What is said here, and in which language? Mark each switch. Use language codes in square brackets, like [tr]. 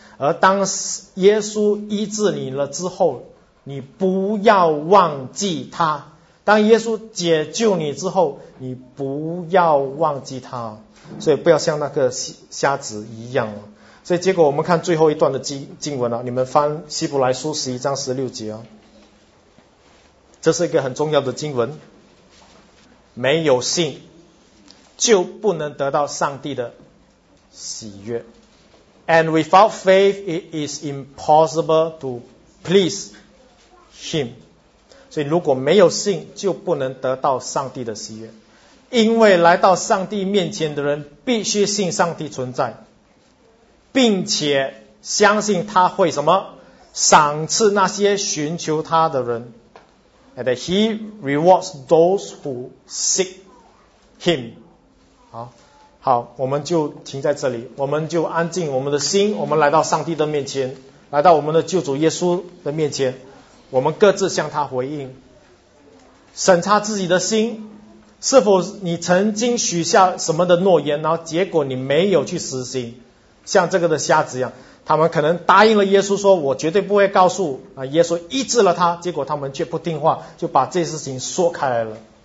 [zh] 而当耶稣医治你了之后，你不要忘记他，当耶稣解救你之后，你不要忘记他，所以不要像那个瞎子一样。所以结果我们看最后一段的经文了，你们翻希伯来书11章16节，这是一个很重要的经文。没有信，就不能得到上帝的喜悦。 [en] And without faith, it is impossible to please him. [zh] 所以如果没有信，就不能得到上帝的喜悦。因为来到上帝面前的人必须信上帝存在，并且相信他会什么？赏赐那些寻求他的人。 [en] And that he rewards those who seek him. [zh] 好，好，我们就停在这里，我们就安静我们的心，我们来到上帝的面前，来到我们的救主耶稣的面前，我们各自向他回应，审查自己的心，是否你曾经许下什么的诺言，然后结果你没有去实行，像这个的瞎子一样，他们可能答应了耶稣说我绝对不会告诉耶稣医治了他，结果他们却不听话，就把这事情说开来了。